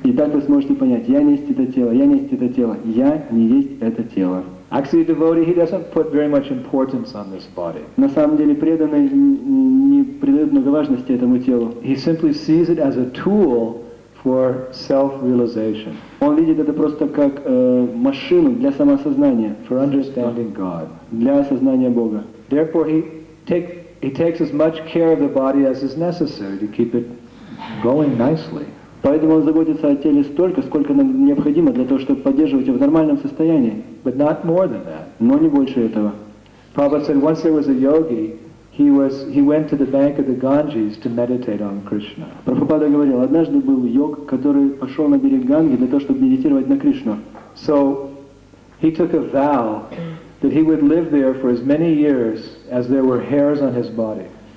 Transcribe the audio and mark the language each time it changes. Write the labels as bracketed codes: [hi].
[ru] И так вы сможете понять, я не есть это тело, я не есть это тело, я не есть это тело. [en] Actually, a devotee, he doesn't put very much importance on this body. [ru] На самом деле, преданный не придает много важности этому телу. [en] He simply sees it as a tool for self-realization. [ru] Он видит это просто как машину для самосознания. [en] For understanding God. [ru] Для осознания Бога. [en] Therefore, he takes as much care of the body as is necessary to keep it going nicely. [ru] Поэтому он заботится о теле столько, сколько нам необходимо для того, чтобы поддерживать его в нормальном состоянии. [en] But not more than that. [ru] Но не больше этого. [en] Prabhupada said once there was a yogi. He went to the bank of the Ganges to meditate on Krishna. [ru] Прабхупада говорил, однажды был йог, который пошел на берег Ганги для того, чтобы медитировать на Кришну. [en] So he took a vow that he would live there for as many years as there were hairs on his body.